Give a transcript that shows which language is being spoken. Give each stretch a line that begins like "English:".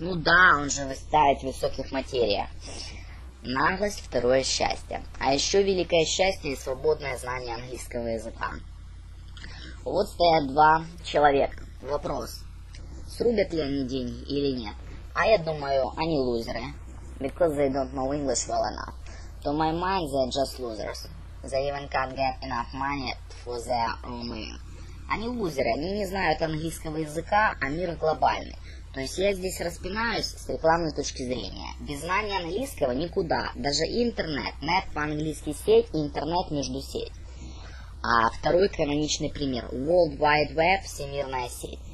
Russian: Ну да, он же выставит в высоких материях. Наглость – второе счастье. А еще великое счастье и свободное знание английского языка. Вот стоят два человека. Вопрос. Срубят ли они деньги или нет? А я думаю, они лузеры.
English: Because they don't know English well enough. To my mind, they're just losers. They even can't get enough money for their own way.
Russian: Они лузеры, они не знают английского языка, а мир глобальный. То есть я здесь распинаюсь с рекламной точки зрения. Без знания английского никуда. Даже интернет, нет по-английски сеть, интернет между сеть. А второй каноничный пример – World Wide Web, всемирная сеть.